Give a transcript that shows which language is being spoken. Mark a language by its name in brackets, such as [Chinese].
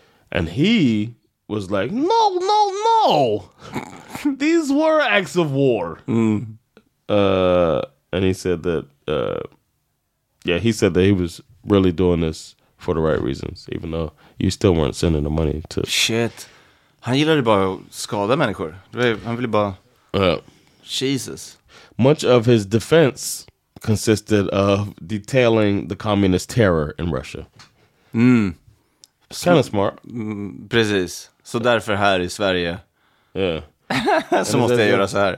[English] And he was like, no. These were acts of war. Mm. And he said that, he said that he was really doing this for the right reasons, even though you still weren't sending the money to... Shit. [Swedish] Han gillade bara att skada människor. Han ville bara... Jesus. [English] Much of his defense consisted of detailing the communist terror in Russia. Mm. Kind of smart. [Swedish] Precis. Så därför här i Sverige... [English] Yeah. [Swedish] så måste jag göra så här.